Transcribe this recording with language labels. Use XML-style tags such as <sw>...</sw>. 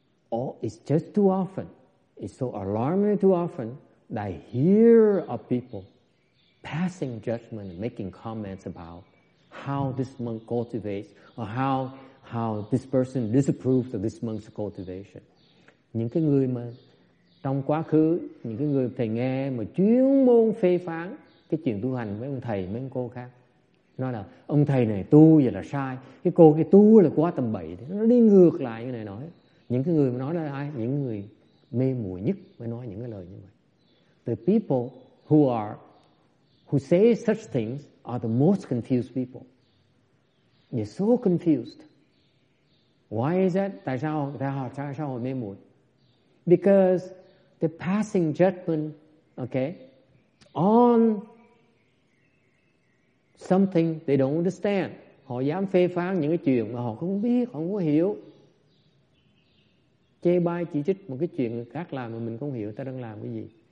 <en>Or it's just too often, it's so alarming too often that I hear of people passing judgment and making comments about how this monk cultivates or how this person disapproves of this monk's cultivation.</en> <vi>Những cái người mà trong quá khứ, những cái người thầy nghe mà chuyên môn phê phán cái chuyện tu hành với ông thầy, mấy ông cô khác. Nói là ông thầy này tu vậy là sai, cái cô kia tu là quá tầm bậy. Nó đi ngược lại như này nói. Những cái người mà nói là ai? Những người mê muội nhất mới nói những cái lời như vậy.</vi> <en>The people who are who say such things are the most confused people. They're so confused. Why is that?</en> <vi>Tại sao họ mê muội?</vi> <en>Because they're passing judgment, okay, on something they don't understand.</en> <vi>Họ dám phê phán những cái chuyện mà họ không biết, họ không có hiểu. Chê bai chỉ trích một cái chuyện người khác làm mà mình không hiểu ta đang làm cái gì.</vi>